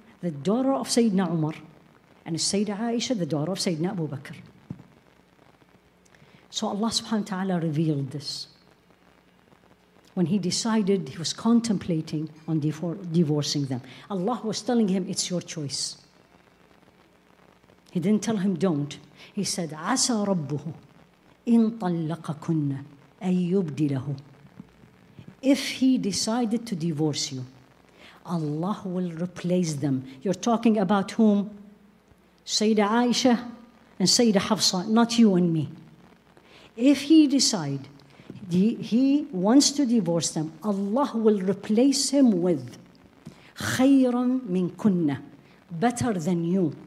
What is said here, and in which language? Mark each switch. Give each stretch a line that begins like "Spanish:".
English: The daughter of Sayyidina Umar and Sayyida Aisha, the daughter of Sayyidina Abu Bakr. So Allah subhanahu wa ta'ala revealed this. When he decided, he was contemplating on divorcing them. Allah was telling him, it's your choice. He didn't tell him, don't. He said,
Arabic: عَسَى رَبُّهُ إِن طَلَّقَكُنَّ أَن يُبْدِلَهُ.
English: If he decided to divorce you, Allah will replace them. You're talking about whom? Sayyida Aisha and Sayyida Hafsa, not you and me. If he decide he wants to divorce them, Allah will replace him with
Arabic: خَيْرًا مِنْ كُنَّ,
English: better than you.